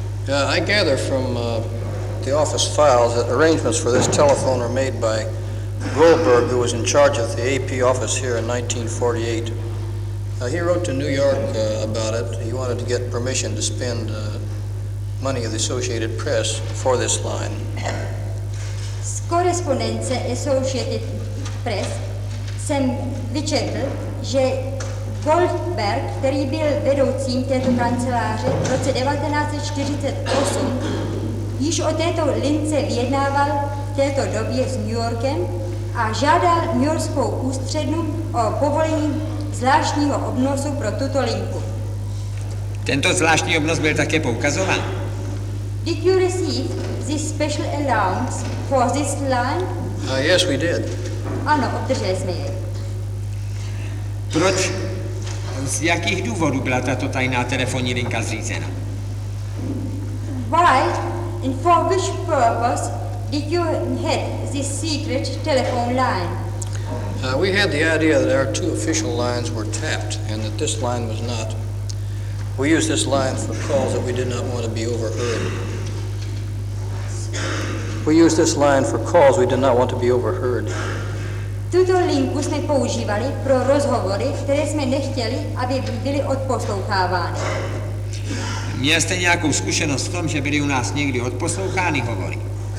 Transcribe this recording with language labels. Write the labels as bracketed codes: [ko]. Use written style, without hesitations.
[en] I gather from the office files that arrangements for this telephone were made by Goldberg, who was in charge of the AP office here in 1948. He wrote to New York about it. He wanted to get permission to spend money of the Associated Press for this line. [cs] Correspondence Associated Press jsem vyčetl, že Goldberg, který byl vedoucím této kanceláře v roce 1948, již o této lince vyjednával v této době s New Yorkem a žádal New Yorkskou ústřednu o povolení zvláštního obnosu pro tuto linku. Tento zvláštní obnos byl také poukazován? [en] Did you receive this special allowance for this line? Yes, we did. [cs] Ano, obdrželi jsme je. Proč, z jakých důvodů byla tato tajná telefonní linka zřízena? [en] Why and for which purpose did you have this secret telephone line? We had the idea that our two official lines were tapped and that this line was not. We used this line for calls that we did not want to be overheard. We used this line for calls we did not want to be overheard. [cs] Tuto linku jsme používali pro rozhovory, které jsme nechtěli, aby byly odposloucháváni. Měli jste nějakou zkušenost s tom, že byly u nás někdy odposlouchány hovory?